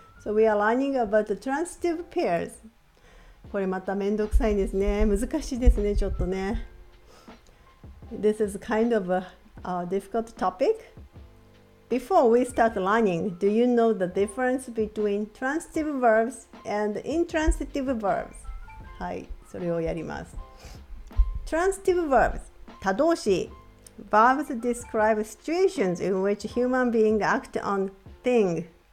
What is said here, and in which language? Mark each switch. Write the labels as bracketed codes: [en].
[en] So we are learning about the transitive pairs. [ja] これまためんどくさいですね。難しいですね、ちょっとね。 [en] This is kind of a difficult topic. Before we start learning, do you know the difference between transitive verbs and intransitive verbs? [ja] はい、それをやります。 [en] Transitive verbs, [ja] 他動詞。 [en] Verbs describe situations in which human being act on thing.